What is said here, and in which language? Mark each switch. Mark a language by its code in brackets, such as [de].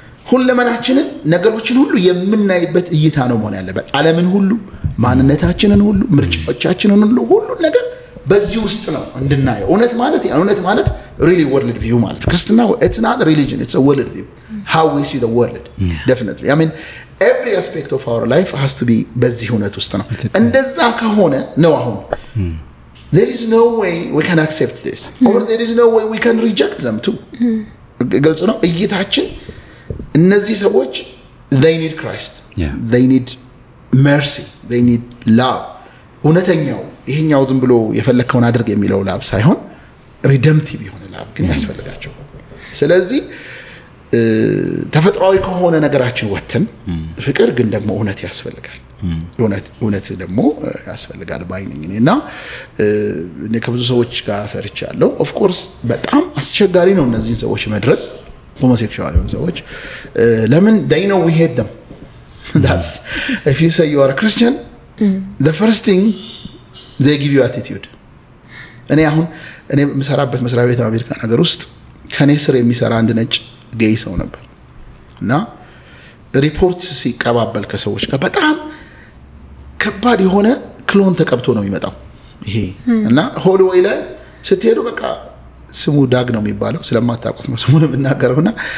[am] ሁለመናችንን ነገሮችን ሁሉ የምናይበት እይታ ነው መሆን ያለበት። ዓለምን ሁሉ፣ ማንነታችንን ሁሉ፣ ምርጫዎቻችንን ሁሉ፣ ሁሉን ነገር በዚህ ውስጥ ነው እንድናየው። እውነት ማለት ሪሊ ወርልድ ቪው ማለት ክርስትና [en] ኢትስ ናት ሪሊጅን ኢትስ ወርልድ ቪው how we see the world definitely I mean every aspect of our life has to be [am] በዚህ እውነት ውስጥ ነው። እንደዛ ከሆነ ነው አሁን [en] there is no way we can accept this or there is no way we can reject them too. [am] ግልጽ ነው እይታችን እነዚህ ሰዎች [en] they need Christ. Yeah. They need mercy. They need love. [am] እነተኛው ይሄኛው ዝም ብሎ የፈለከውን አድርግ የሚለው ላብ ሳይሆን redemptive የሆነ ላብ ግን ያስፈልጋቸው። ስለዚህ ተፈጥሯዊ ከሆነ ነገራችን ወጥተን ፍቅር ግን ደግሞ እነት ያስፈልጋል። እነት ደግሞ ያስፈልጋል ባይነኝ እና እኔ ከብዙ ሰዎች ጋር ሰርቻለሁ። [en] ኦፍ ኮርስ [am] በጣም አስቸጋሪ ነው እነዚህ ሰዎች መدرس homosexual ሰዎች ለምን [en] they know we hate them. That's if you say you are a Christian, the first thing they give you attitude. [am] እኔ አሁን እኔ መሰራበት መስራ ቤት አሜሪካ ሀገር ውስጥ ከኔ ስር የሚሰራ አንድ ነጭ ጌይ ሰው ነበር እና ሪፖርትስ ሲቀባበል ከሰዎች ጋር በጣም ከባድ የሆነ ክሎን ተቀብቶ ነው የሚመጣው ይሄ እና ሆሊዌይ ላይ ስትሄዱ በቃ ስሙ ዳግ ነው የሚባለው ስለማታውቁት ነው ስሙን እናገረውና